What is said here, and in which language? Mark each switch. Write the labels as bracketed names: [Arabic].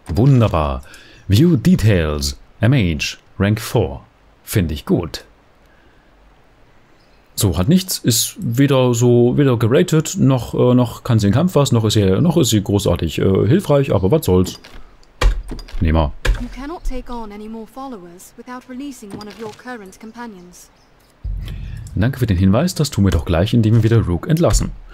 [German] Wunderbar. [English] View Details. A Mage. Rank 4. [German] Finde ich gut. So, hat nichts. Ist weder so, weder geratet, noch kann sie in Kampf was, noch ist sie großartig hilfreich, aber was soll's. Nehmer. [English] You cannot take on any more followers without releasing one of your current companions. [German] Danke für den Hinweis, das tun wir doch gleich, indem wir wieder Rook entlassen.